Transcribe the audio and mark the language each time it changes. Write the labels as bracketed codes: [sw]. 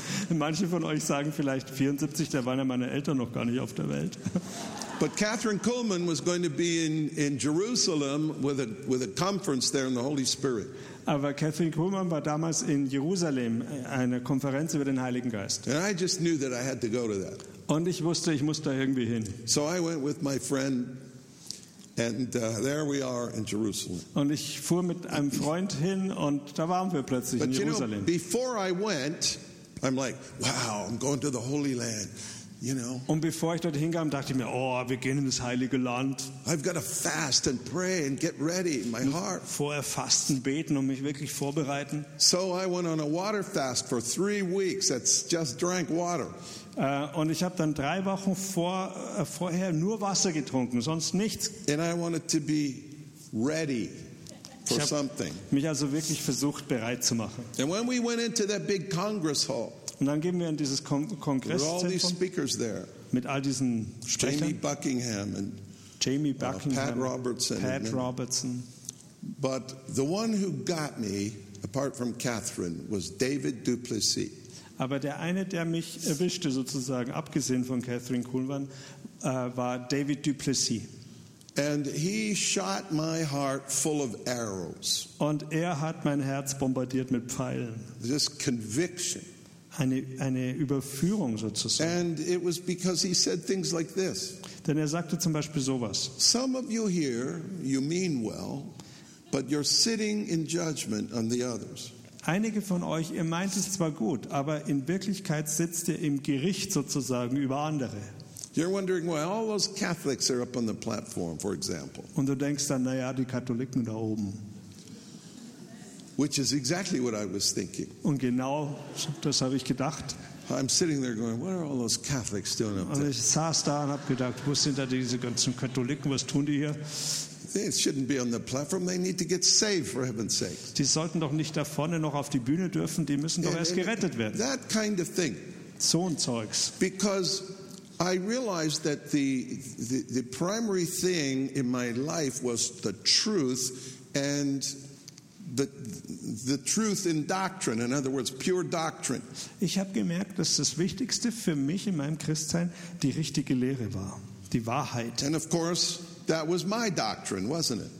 [de] Manche von euch sagen vielleicht 74, da waren ja meine Eltern noch gar nicht auf der Welt. [en] But Catherine Kuhlman was going to be in Jerusalem with a conference there in the Holy Spirit. [de] Aber Catherine Kuhlman war damals in Jerusalem eine Konferenz über den Heiligen Geist. [en] And I just knew that I had to go to that. [de] Und ich wusste, ich muss da irgendwie hin. [en] So I went with my friend. And there we are in Jerusalem. [de] Und ich fuhr mit einem Freund hin und da waren wir plötzlich [en] but [de] in Jerusalem. [en] You know, before I went, I'm like, wow, I'm going to the Holy Land. You know. [de] Und bevor ich dorthin kam, dachte ich mir, oh, wir gehen ins Heilige Land. [en] I've got to fast and pray and get ready in my heart. [de] Vorher fasten, beten und mich wirklich vorbereiten. [en] So I went on a water fast for 3 weeks. That's just drank water. [de] Und ich habe dann 3 Wochen vorher nur Wasser getrunken, sonst nichts. [en] And I wanted to be ready for something. [de] Ich habe mich also wirklich versucht, bereit zu machen. [en] And when we went into that big Congress hall. [de] Und dann gehen wir in dieses Kongresszentrum mit all diesen Sprechern. [en] Jamie Buckingham, Pat Robertson. But the one who got me, apart from Catherine, was David Duplessis. [de] Aber der eine, der mich erwischte, sozusagen, abgesehen von Catherine Kuhlmann, war David Duplessis. [en] And he shot my heart full of arrows. [de] Und er hat mein Herz bombardiert mit Pfeilen. [en] This conviction. [de] Eine Überführung sozusagen. [en] And it was because he said things like this. [de] Denn er sagte zum Beispiel sowas. [en] Some of you here, you mean well, but you're sitting in judgment on the others. [de] Einige von euch, ihr meint es zwar gut, aber in Wirklichkeit sitzt ihr im Gericht sozusagen über andere. [en] You're wondering why all those Catholics are up on the platform, for example. [de] Und du denkst dann, naja, die Katholiken da oben. [en] Which is exactly what I was thinking. [de] Und genau das habe ich gedacht. [en] I'm sitting there going, what are all those Catholics doing up there? [de] Und ich saß da und habe gedacht, wo sind da diese ganzen Katholiken, was tun die hier? [en] They shouldn't be on the platform, they need to get saved, for heaven's sake. [de] Die sollten doch nicht da vorne noch auf die Bühne dürfen, die müssen doch erst gerettet werden. [en] That kind of thing. [de] So ein Zeugs. [en] Because I realized that the primary thing in my life was the truth and the truth in doctrine, in other words, pure doctrine. [de] Ich habe gemerkt, dass das Wichtigste für mich in meinem Christsein die richtige Lehre war, die Wahrheit. [en] And of course, that was my doctrine, wasn't it?